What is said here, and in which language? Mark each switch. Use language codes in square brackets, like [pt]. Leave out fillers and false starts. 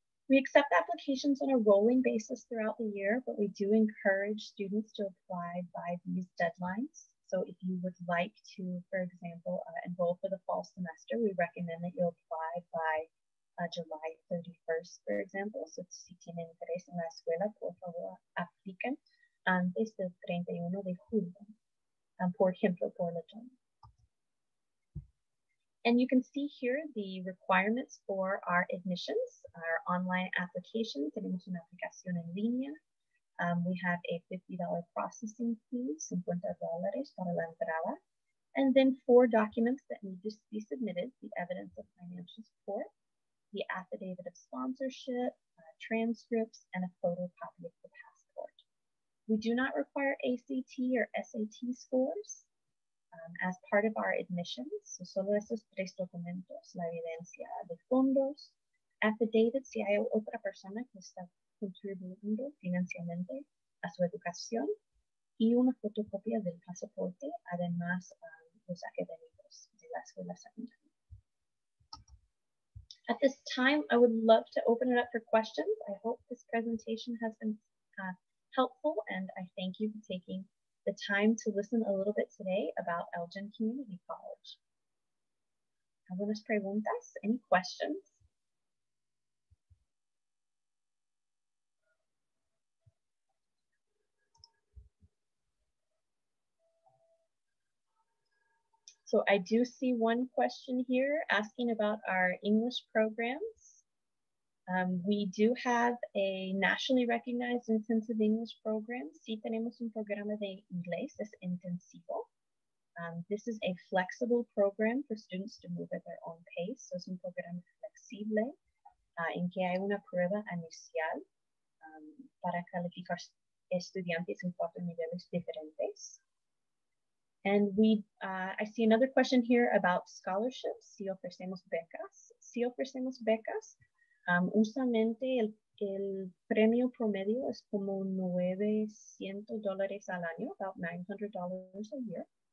[en] We accept applications on a rolling basis throughout the year, but we do encourage students to apply by these deadlines. So if you would like to, for example, enroll for the fall semester, we recommend that you apply by July 31st, for example. [es] So si tienen interés en la escuela, por favor, apliquen antes del 31 de julio. Por ejemplo, por la term. [en] And you can see here the requirements for our admissions, our online application. [es] Tenemos una aplicación en línea. [en] We have a $50 processing fee, [es] $50 para la entrada. [en] And then four documents that need to be submitted, the evidence of financial support, the affidavit of sponsorship, transcripts, and a photocopy of the passport. We do not require ACT or SAT scores as part of our admissions. [es] So solo esos tres documentos, la evidencia de fondos, affidavit, si hay otra persona que está contribuyendo financieramente a su educación, y una fotocopia del pasaporte, además los académicos de la escuela secundaria. [en] At this time, I would love to open it up for questions. I hope this presentation has been helpful, and I thank you for taking the time to listen a little bit today about Elgin Community College. [es] ¿Algunas preguntas? [en] Any questions? So I do see one question here asking about our English programs. We do have a nationally recognized intensive English program. [es] Sí, tenemos un programa de inglés, es intensivo. [en] This is a flexible program for students to move at their own pace. [es] So es un programa flexible en que hay una prueba inicial para calificar estudiantes en cuatro niveles diferentes. [en] And I see another question here about scholarships. [es] Si ofrecemos becas. Si ofrecemos becas, usualmente el premio promedio es como $900 al año, [en] about $900 a year.